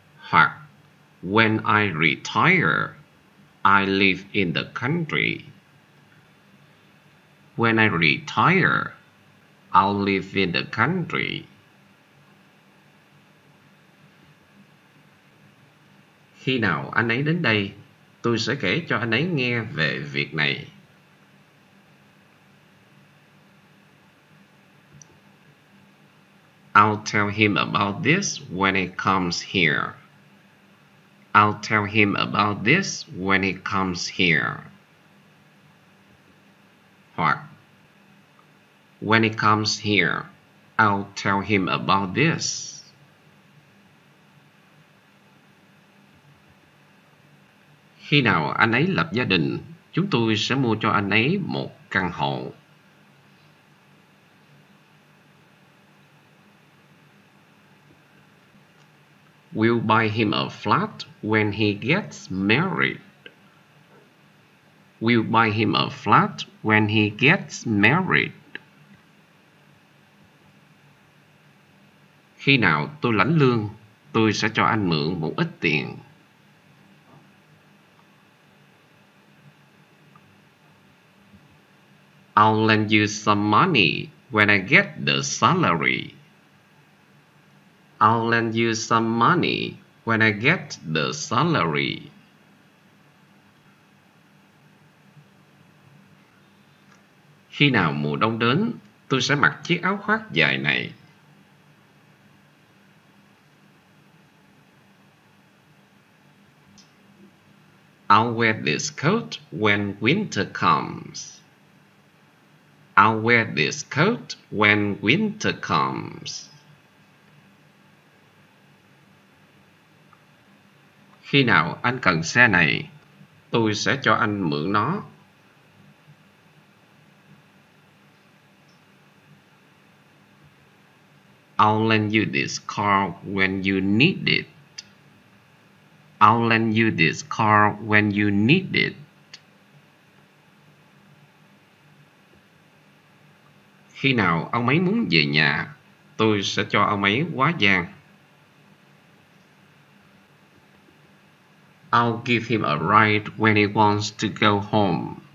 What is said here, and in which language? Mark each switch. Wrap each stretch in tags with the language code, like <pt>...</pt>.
<en>Hoặc, when I retire, I live in the country. When I retire, I'll live in the country.</en> <vi>Khi nào anh ấy đến đây, tôi sẽ kể cho anh ấy nghe về việc này.</vi> <en>I'll tell him about this when he comes here. I'll tell him about this when he comes here. Hoặc, when he comes here, I'll tell him about this.</en> <vi>Khi nào anh ấy lập gia đình, chúng tôi sẽ mua cho anh ấy một căn hộ.</vi> <en>We'll buy him a flat when he gets married. We'll buy him a flat when he gets married.</en> <vi>Khi nào tôi lãnh lương, tôi sẽ cho anh mượn một ít tiền.</vi> <en>I'll lend you some money when I get the salary. I'll lend you some money when I get the salary.</en> <vi>Khi nào mùa đông đến, tôi sẽ mặc chiếc áo khoác dài này.</vi> <en>I'll wear this coat when winter comes. I'll wear this coat when winter comes.</en> <vi>Khi nào anh cần xe này, tôi sẽ cho anh mượn nó.</vi> <en>I'll lend you this car when you need it. I'll lend you this car when you need it.</en> <vi>Khi nào ông ấy muốn về nhà, tôi sẽ cho ông ấy quá gian.</vi> <en>I'll give him a ride when he wants to go home.</en>